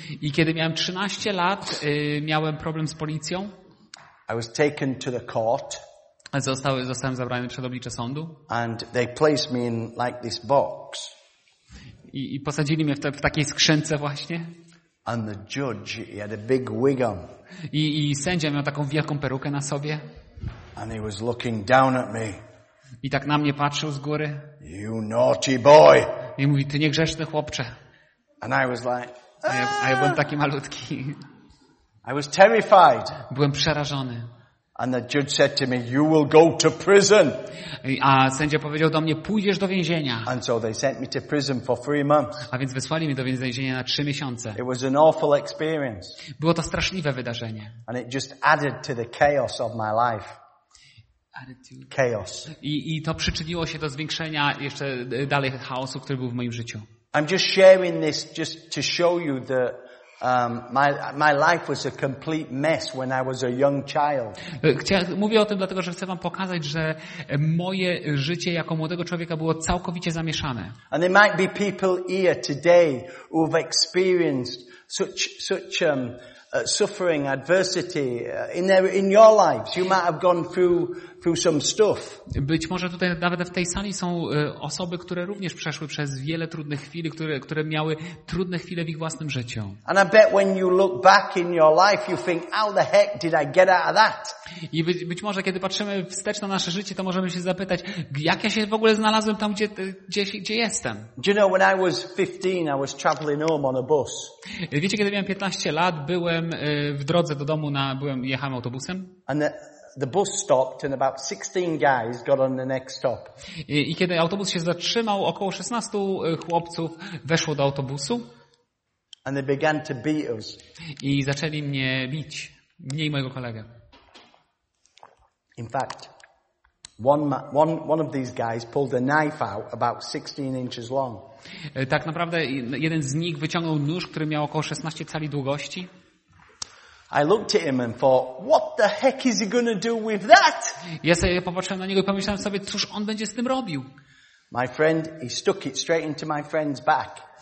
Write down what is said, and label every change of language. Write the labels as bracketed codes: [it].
[pl] I kiedy miałem 13 lat, miałem problem z policją. [en] I was taken to the court. [pl] Zostałem zabrany przed oblicze sądu. [en] And they placed me in like this box. [pl] I posadzili mnie w takiej skrzynce właśnie. [en] And the judge, he had a big wig on. [pl] I sędzia miał taką wielką perukę na sobie. [en] And he was looking down at me. [pl] I tak na mnie patrzył z góry. [en] You naughty boy. [pl] I mówi, ty niegrzeczny chłopcze. [en] And I was like, [pl] a ja byłem taki malutki. [en] I was terrified. [pl] Byłem przerażony. [en] And the judge said to me, you will go to prison. [pl] A sędzia powiedział do mnie, pójdziesz do więzienia. [en] And so they sent me to prison for 3 months. [pl] A więc wysłali mnie do więzienia na 3 miesiące. [en] It was an awful experience. [pl] Było to straszliwe wydarzenie. [en] And it just added to the chaos of my life. Chaos. [pl] I to przyczyniło się do zwiększenia jeszcze dalej chaosu, który był w moim życiu. [en] I'm just sharing this just to show you that my life was a complete mess when I was a young child. [pl] Mówię o tym dlatego, że chcę wam pokazać, że moje życie jako młodego człowieka było całkowicie zamieszane. [en] And there might be people here today who have experienced such suffering, adversity in your lives. You might have gone through through some stuff. [pl] Być może tutaj nawet w tej sali są osoby, które również przeszły przez wiele trudnych chwil, które miały trudne chwile w ich własnym życiu. [en] And I bet when you look back in your life, you think, how the heck did I get out of that? [pl] I być może kiedy patrzymy wstecz na nasze życie, to możemy się zapytać, jak ja się w ogóle znalazłem tam, gdzie jestem. [en] Do you know when I was 15, I was traveling home on a bus. [pl] Wiecie, kiedy miałem 15 lat, byłem w drodze do domu, jechałem autobusem. [en] And the bus stopped and about 16 guys got on the next stop. [pl] I kiedy autobus się zatrzymał, około 16 chłopców weszło do autobusu. [en] And they began to beat us. [pl] I zaczęli mnie bić, mnie i mojego kolegę. [en] In fact, one of these guys pulled a knife out about 16 inches long. [pl] Tak naprawdę jeden z nich wyciągnął nóż, który miał około 16 cali długości. [en] I looked at him and thought, what the heck is he going to do with that? [pl] Ja sobie popatrzyłem na niego i pomyślałem sobie, cóż on będzie z tym robił? [en] My friend, he stuck it straight into my friend's back.